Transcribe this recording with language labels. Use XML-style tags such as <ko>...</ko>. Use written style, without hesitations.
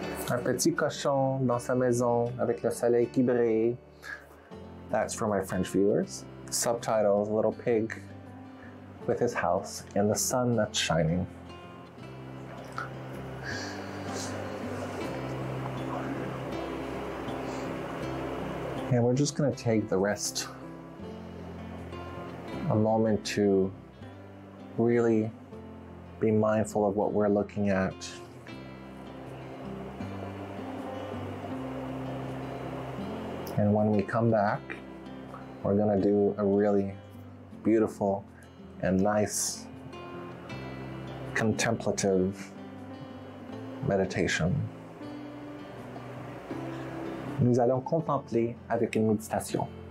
<fr>Un petit cochon dans sa maison avec le soleil qui brille.</fr> <en>That's for my French viewers. Subtitles, little pig with his house and the sun that's shining. And we're just gonna take the rest, a moment to really be mindful of what we're looking at. And when we come back, we're gonna do a really beautiful and nice contemplative meditation.</en> <fr>Nous allons contempler avec une méditation.</fr>